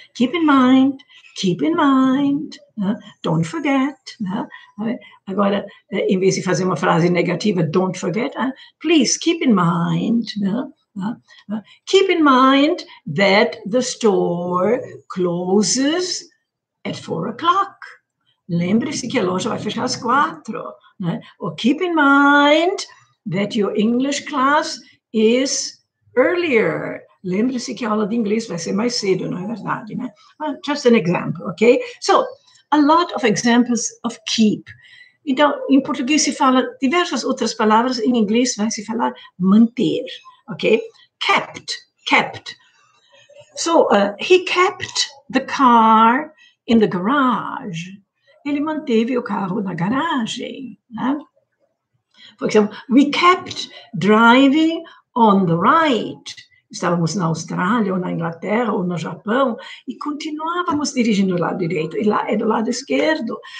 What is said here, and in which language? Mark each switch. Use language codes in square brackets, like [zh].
[en] Keep in mind. Né? Don't forget. Né? [pt] Agora, em vez de fazer uma frase negativa, [en] don't forget, please keep in mind. [pt] Né? [en] Keep in mind that the store closes at 4 o'clock. [pt] Lembre-se que a loja vai fechar às 4, né? [en] Or keep in mind that your English class is earlier. [pt] Lembre-se que a aula de inglês vai ser mais cedo, não é verdade, né? [en] Well, just an example, okay? So, a lot of examples of keep. [pt] Então, em português se fala diversas outras palavras, em inglês vai se falar manter, okay? [en] Kept. So, he kept the car in the garage. [pt] Ele manteve o carro na garagem, né? [en] For example, we kept driving on the right. [pt] Estávamos na Austrália, ou na Inglaterra, ou no Japão, e continuávamos dirigindo o lado direito, e lá é do lado esquerdo.